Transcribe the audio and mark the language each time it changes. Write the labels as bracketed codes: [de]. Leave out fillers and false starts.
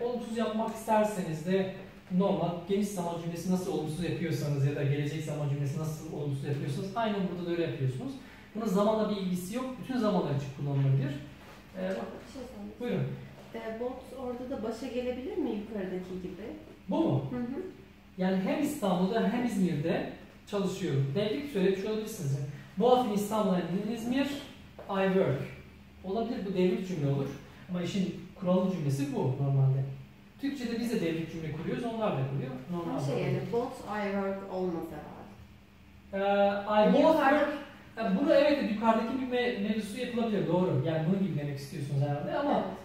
[tr] Olumsuz yapmak isterseniz de normal geniş zaman cümlesi nasıl olumsuz yapıyorsanız ya da gelecek zaman cümlesi nasıl olumsuz yapıyorsanız aynen burada da öyle yapıyorsunuz. Bunun zamanla bir ilgisi yok. Bütün zamanlar için kullanılabilir. Bir şey sorayım. Buyurun. Both orada da başa gelebilir mi yukarıdaki gibi? Bu mu? Hı hı. Yani hem İstanbul'da hem İzmir'de çalışıyorum. Devlik söylemiş olabilirsiniz. [en] Both in İstanbul and in İzmir, I work. [tr] Olabilir, bu devlik cümle olur. Ama işin kuralı cümlesi bu normalde. Türkçe'de biz de devlik cümle kuruyoruz, onlar da kuruyor. Normal. Şey yani, [en] both I work [tr] olmaz herhalde. [en] Both work... [tr] Yani burada evet, yukarıdaki bir mevzusu yapılabilir, doğru. Yani bunu gibi demek istiyorsunuz herhalde ama evet.